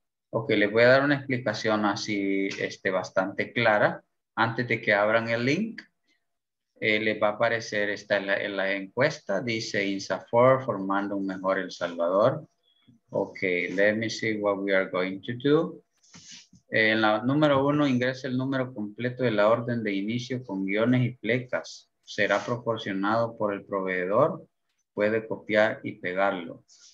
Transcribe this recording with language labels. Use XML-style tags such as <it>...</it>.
<es>Okay, les voy a dar una explicación así bastante clara. Antes de que abran el link, le va a aparecer esta en la encuesta. Dice INSAFOR formando un mejor El Salvador.</es> <en>Ok, let me see what we are going to do.</en> <es>En la número uno, ingrese el número completo de la orden de inicio con guiones y flechas. Será proporcionado por el proveedor. Puede copiar y pegarlo.</es>